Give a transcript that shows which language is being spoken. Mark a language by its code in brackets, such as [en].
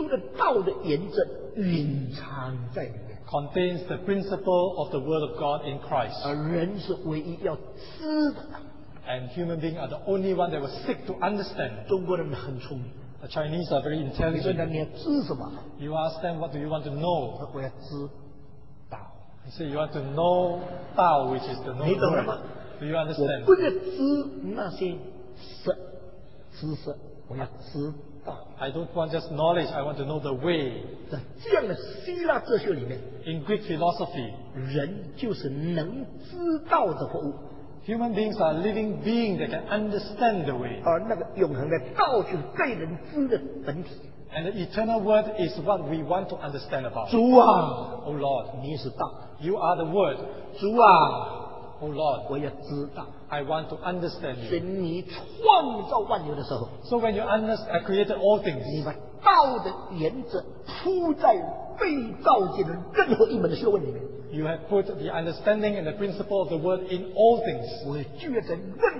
[zh] 都有基督的道的原则隐藏在里面, [en] contains the principle of the word of God in Christ. And human beings are the only one that will seek to understand. The Chinese are very intelligent. You ask them, what do you want to know? They say, you want to know Tao, which is the knowing word. Do you understand? I don't want just knowledge, I want to know the way. [zh] 在这样的希腊哲学里面, [en] in Greek philosophy, [zh] 人就是能知道的活物。 [en] Human beings are living beings that can understand the way. [zh] 而那个永恒的道就是被人知的本体。 [en] And the eternal word is what we want to understand about. [zh] 主啊, [en] oh Lord, [zh] 你是道, [en] you are the word. [zh] 主啊, [en] oh Lord, [zh] 我也知道, [en] I want to understand you. [zh] 你创造万有的时候, [en] so when you understand, I created all things. [zh] 你把道的原则铺在被造界的任何一门的学问里面。 [en] You have put the understanding and the principle of the word in all things.